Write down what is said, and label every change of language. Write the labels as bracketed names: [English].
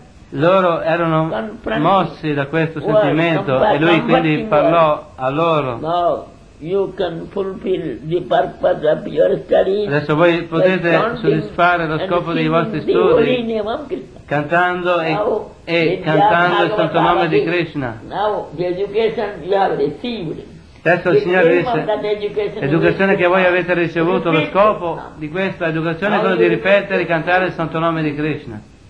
[Italian] Loro erano mossi da questo sentimento e lui quindi parlò a loro. [English] You can fulfill the purpose of your studies. [Italian] Adesso voi potete soddisfare lo scopo dei vostri studi cantando e cantando il Santo Nome di Krishna. [English] Now the education you have received. [Italian] Adesso il Signore dice, l'educazione che voi avete ricevuto, lo scopo di questa educazione è quello di ripetere e cantare il Santo Nome di Krishna.